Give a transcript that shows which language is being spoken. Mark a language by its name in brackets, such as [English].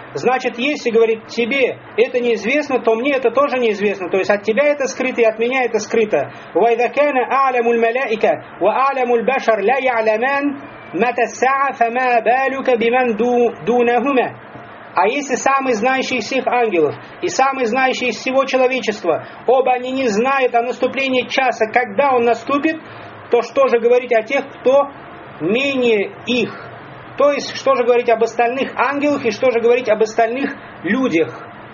[Russian] Значит, если говорит тебе это неизвестно, то мне это тоже неизвестно. То есть от тебя это скрыто и от меня это скрыто. [Arabic] وإذا كان أعلم الملائكة وأعلم البشر لا يعلمان متى الساعة فما بالك بمن دونهما. [Russian] А если самый знающий всех ангелов и самый знающий всего человечества, оба они не знают о наступлении часа, когда он наступит, то что же говорить о тех, кто менее их? То есть, что же говорить об остальных ангелах и что же говорить об остальных людях?